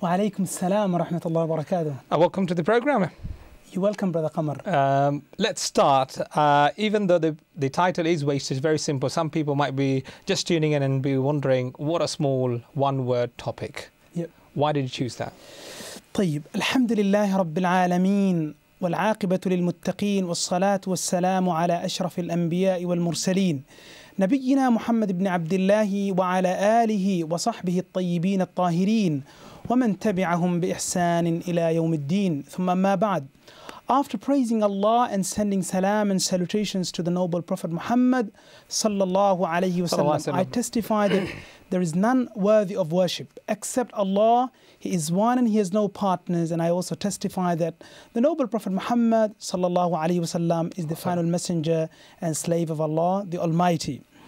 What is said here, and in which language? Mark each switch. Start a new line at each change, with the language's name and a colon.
Arabic: Wa alaikum salam.
English: Welcome to the program. You're welcome, Brother Qamar. Let's start. Even though the title is wastage, very simple, some people might be just tuning in and be wondering, what a small one-word topic. Yep. Why did you choose that?
Arabic: طيب. الحمد لله رب العالمين والعاقبة للمتقين والصلاة والسلام على أشرف الأنبياء والمرسلين نبينا محمد بن عبد الله وعلى آله وصحبه الطيبين الطاهرين وَمَنْ تَبِعَهُمْ بِإِحْسَانٍ إِلَىٰ يَوْمِ الدِّينِ ثُمَّ مَا بَعْدٍ.
English: After praising Allah and sending salam and salutations to the noble Prophet Muhammad sallallahu alayhi wasallam, I testify that there is none worthy of worship except Allah. He is one and he has no partners. And I also testify that the noble Prophet Muhammad sallallahu alayhi wasallam is the final messenger and slave of Allah, the Almighty.